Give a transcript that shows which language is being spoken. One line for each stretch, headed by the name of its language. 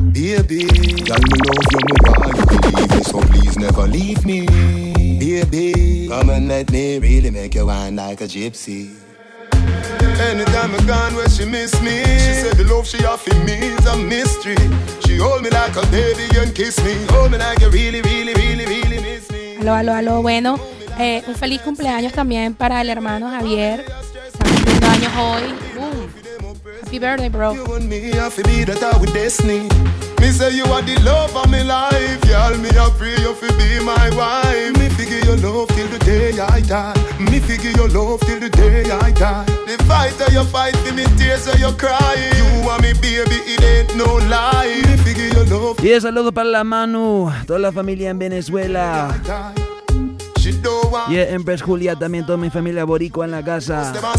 English: Baby, girl, me love you, me why you believe me, so please never leave me. Baby, come and let me really make you wine like a gypsy. Anytime I gone where she miss me, she said the love she offer me is a mystery. She hold me like a baby and kiss me. Hold me like you really, really, really, really miss me.
Spanish: Aló, aló, aló, bueno, un feliz cumpleaños también para el hermano Javier. Cumpliendo años hoy.
English: Happy birthday, bro. You and me have to be that I with destiny. Me say you are the love of my life. Y'all me a pray you fi be my wife. Me figure your love till the day I die. Me figure your love till the day I die. The fight that you fight fi me, tears that you cry. You are me baby, it ain't no lie. Me figure your love.
Spanish: Y el saludo para la Manu, toda la familia en Venezuela. Yeah, Empress Julia, también toda mi familia boricua en la casa.